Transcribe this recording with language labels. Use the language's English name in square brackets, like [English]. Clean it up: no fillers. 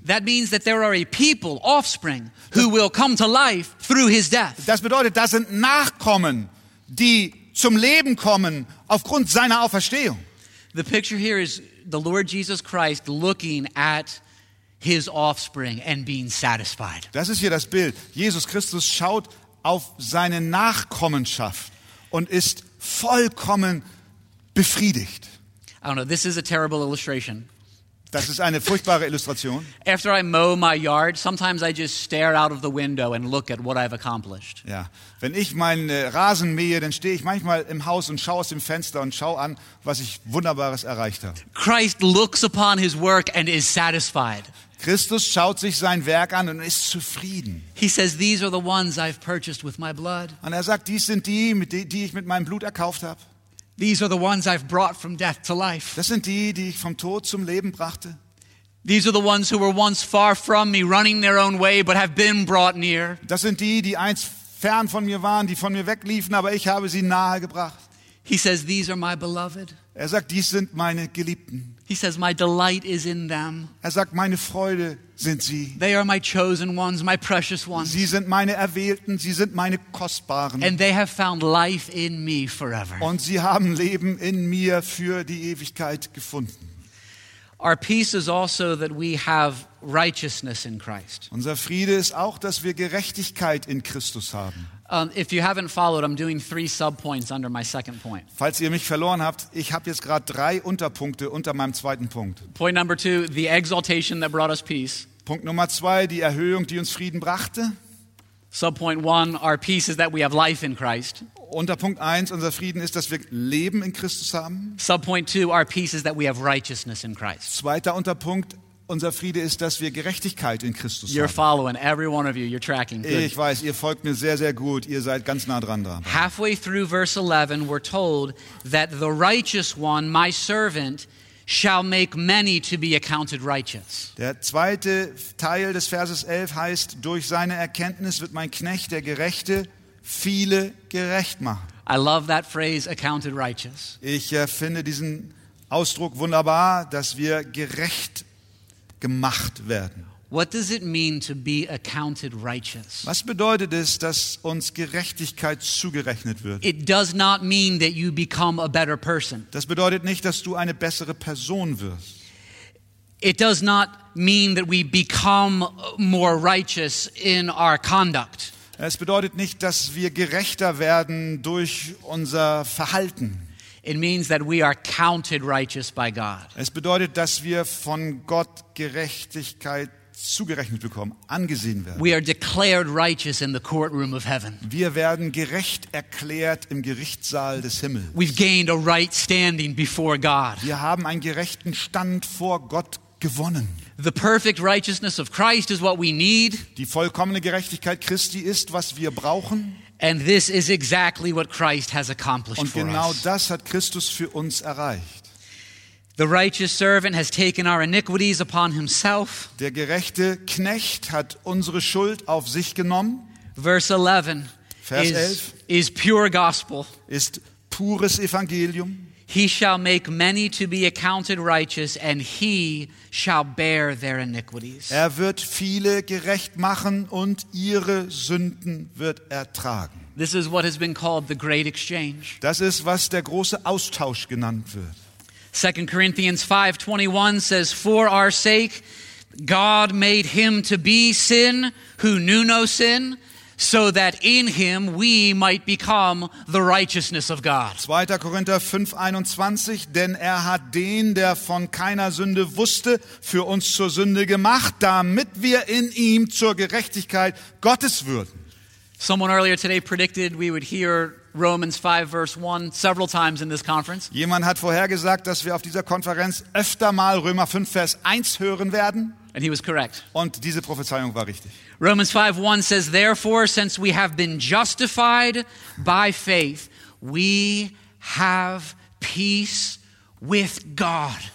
[English] That means that there are a people, offspring, who will come to life through his death. [German] Das bedeutet, das sind Nachkommen, die zum Leben kommen aufgrund seiner Auferstehung. [English] The picture here is the Lord Jesus Christ looking at his offspring and being satisfied. [German] Das ist hier das Bild. Jesus Christus schaut auf seine Nachkommenschaft und ist vollkommen befriedigt. [English] I don't know, this is a terrible illustration. [German] Das ist eine furchtbare Illustration. [English] After I mow my yard, sometimes I just stare out of the window and look at what I've accomplished. [German] Ja, wenn ich meinen Rasen mähe, dann stehe ich manchmal im Haus und schaue aus dem Fenster und schaue an, was ich Wunderbares erreicht habe. [English] Christ looks upon his work and is satisfied. [German] Christus schaut sich sein Werk an und ist zufrieden. [English] He says, these are the ones I've purchased with my blood. [German] Und er sagt, dies sind die, die ich mit meinem Blut erkauft habe. [English] These are the ones I've brought from death to life. [German] Das sind die, die ich vom Tod zum Leben brachte. [English] These are the ones who were once far from me, running their own way, but have been brought near. [German] Das sind die, die einst fern von mir waren, die von mir wegliefen, aber ich habe sie nahe gebracht. [English] He says, "These are my beloved." [German] Er sagt, dies sind meine Geliebten. [English] He says, "My delight is in them." [German] Er sagt, meine Freude sind sie. [English] They are my chosen ones, my precious ones. [German] Sie sind meine Erwählten, sie sind meine Kostbaren. [English] And they have found life in me forever. [German] Und sie haben Leben in mir für die Ewigkeit gefunden. [English] Our peace is also that we have righteousness in Christ. [German] Unser Friede ist auch, dass wir Gerechtigkeit in Christus haben. [English] If you haven't followed, I'm doing 3 subpoints under my second point. [German] Falls ihr mich verloren habt, ich habe jetzt gerade 3 Unterpunkte unter meinem zweiten Punkt. [English] Point number 2, the exaltation that brought us peace. [German] Punkt Nummer 2, die Erhöhung, die uns Frieden brachte. [English] Subpoint 1, our peace is that we have life in Christ. [German] Unterpunkt 1, unser Frieden ist, dass wir Leben in Christus haben. [English] Subpoint 2, our peace is that we have righteousness in Christ. [German] Zweiter Unterpunkt, unser Friede ist, dass wir Gerechtigkeit in Christus [English] you're [German] haben. [English] Following, every one of you, you're tracking. Good. [German] Ich weiß, ihr folgt mir sehr, sehr gut. Ihr seid ganz nah dran dran. [English] Halfway through verse 11, we're told that the righteous one, my servant, shall make many to be accounted righteous. [German] Der zweite Teil des Verses 11 heißt, durch seine Erkenntnis wird mein Knecht, der Gerechte, viele gerecht machen. [English] I love that phrase, accounted righteous. [German] Ich finde diesen Ausdruck wunderbar, dass wir gerecht gemacht werden. [English] What does it mean to be accounted righteous? [German] Was bedeutet es, dass uns Gerechtigkeit zugerechnet wird? [English] It does not mean that you become a better person. [German] Das bedeutet nicht, dass du eine bessere Person wirst. [English] It does not mean that we become more righteous in our conduct. [German] Es bedeutet nicht, dass wir gerechter werden durch unser Verhalten. [English] It means that we are counted righteous by God. [German] Es bedeutet, dass wir von Gott Gerechtigkeit zugerechnet bekommen, angesehen werden. [English] We are declared righteous in the courtroom of heaven. [German] Wir werden gerecht erklärt im Gerichtssaal des Himmels. [English] We've gained a right standing before God. [German] Wir haben einen gerechten Stand vor Gott gewonnen. [English] The perfect righteousness of Christ is what we need. [German] Die vollkommene Gerechtigkeit Christi ist, was wir brauchen. [English] And this is exactly what Christ has accomplished for [German] Und genau das hat Christus für uns erreicht. [English] The righteous servant has taken our iniquities upon himself. [German] Der gerechte Knecht hat unsere Schuld auf sich genommen. [English] Vers 11 is pure gospel. [German] Ist pures Evangelium. [English] He shall make many to be accounted righteous, and he shall bear their iniquities. [German] Er wird viele gerecht machen, und ihre Sünden wird er tragen. [English] This is what has been called the great exchange. [German] Das ist, was der große Austausch genannt wird. [English] 2 Corinthians 5:21 says, "For our sake, God made him to be sin who knew no sin." So that in him we might become the righteousness of God. [German] 2. Korinther 5:21, denn er hat den, der von keiner Sünde wusste, für uns zur Sünde gemacht, damit wir in ihm zur Gerechtigkeit Gottes würden. [English] Someone earlier today predicted we would hear Romans 5 verse 1 several times in this conference. [German] Jemand hat vorhergesagt, dass wir auf dieser Konferenz öfter mal Römer 5 Vers 1 hören werden. [English] And he was correct. [German] Und diese Prophezeiung war richtig. [English] Romans 5:1 says, "Therefore, since we have been justified by faith, we have peace with God."